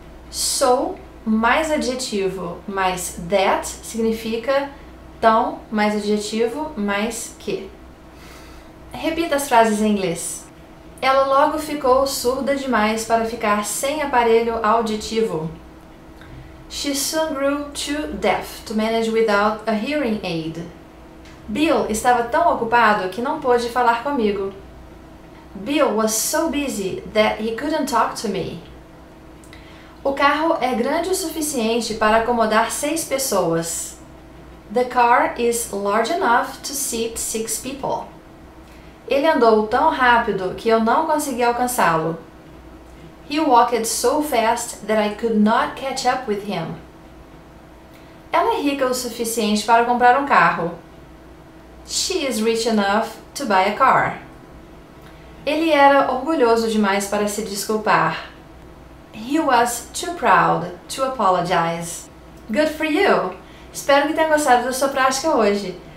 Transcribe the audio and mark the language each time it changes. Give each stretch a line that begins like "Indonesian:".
Portuguese: So mais adjetivo mais that significa tão mais adjetivo mais que. Repita as frases em inglês. Ela logo ficou surda demais para ficar sem aparelho auditivo.
English: She soon grew too deaf to manage without a hearing aid.
Portuguese: Bill estava tão ocupado que não pôde falar comigo.
English: Bill was so busy that he couldn't talk to me.
Portuguese: O carro é grande o suficiente para acomodar seis pessoas.
English: The car is large enough to seat six people.
Portuguese: Ele andou tão rápido que eu não consegui alcançá-lo.
English: He walked so fast that I could not catch up with him.
Portuguese: Ela é rica o suficiente para comprar um carro.
English: She is rich enough to buy a car.
Portuguese: Ele era orgulhoso demais para se desculpar.
English: He was too proud to apologize. Good for you!
Portuguese: Espero que tenha gostado da sua prática hoje.